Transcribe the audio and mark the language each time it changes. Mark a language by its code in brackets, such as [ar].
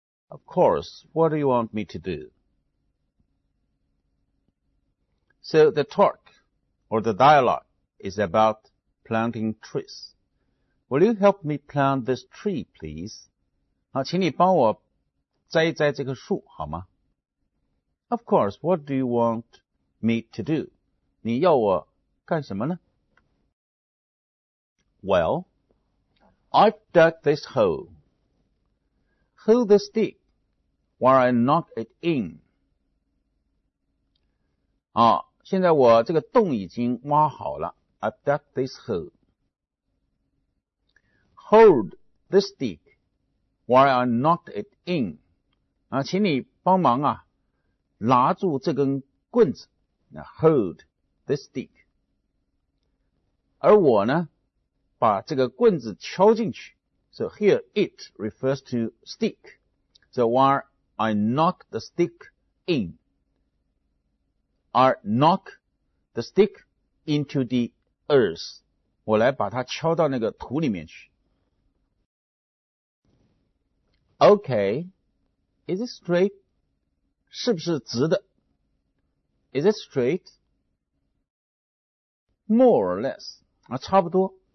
[en] Of course. What do you want me to do? So the talk, or the dialogue, is about planting trees. Will you help me plant this tree, please? [zh] 好，请你帮我栽一栽这个树，好吗？ [en] Of course. What do you want me to do? [zh] 你要我干什么呢？ [en] Well, I've dug this hole. Hold this stick while I knock it in. [zh] 好，现在我这个洞已经挖好了。 [en] I've dug this hole. Hold this stick while I knock it in. [zh] 啊，请你帮忙啊，拿住这根棍子。 [en] Now hold this stick. [zh] 而我呢？把这个棍子敲进去。 [en] So here it refers to stick. So while I knock the stick in, I knock the stick into the earth. [zh] 我来把它敲到那个土里面去。 [en] Okay, is it straight? [zh] 是不是直的？ [en] Is it straight? More or less. [zh] 啊，差不多。